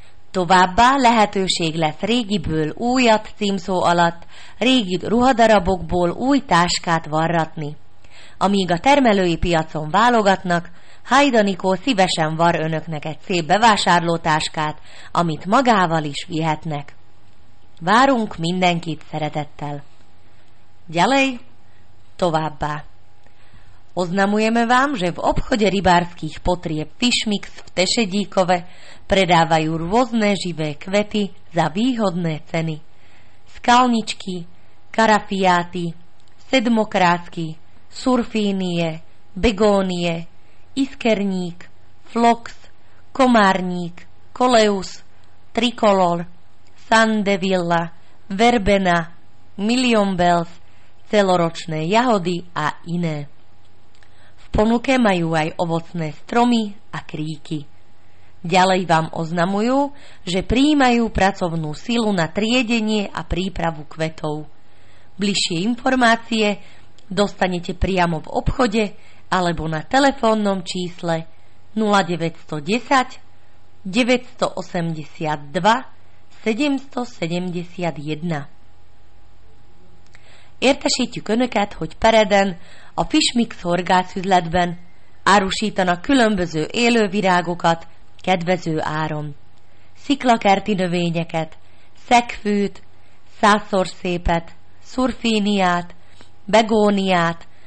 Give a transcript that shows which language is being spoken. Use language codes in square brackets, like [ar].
[hu] Továbbá lehetőség lesz régiből újat címszó alatt, régi ruhadarabokból új táskát varratni. Amíg a termelői piacon válogatnak, Hajda Nikó szívesen var önöknek egy szép bevásárlótáskát, amit magával is vihetnek. Várunk mindenkit szeretettel! [sk] Ďalej, [hu] továbbá! [sk] Oznamujeme vám, že v obchode rybárskych potrieb Fishmix v Tešedíkove predávajú rôzne živé kvety za výhodné ceny. Skalničky, karafiáty, sedmokrásky, surfínie, begónie, iskerník, flox, komárník, koleus, trikolor, sandevilla, verbena, million bells, celoročné jahody a iné. Ponuke majú aj ovocné stromy a kríky. Ďalej vám oznamujú, že prijímajú pracovnú silu na triedenie a prípravu kvetov. Bližšie informácie dostanete priamo v obchode alebo na telefónnom čísle 0910 982 771. [hu] Értesítjük önöket, hogy Pereden a Fishmix horgászüzletben árusítanak különböző élővirágokat kedvező áron. Sziklakerti növényeket, szegfűt, százszor szépet, szurfíniát, begóniát,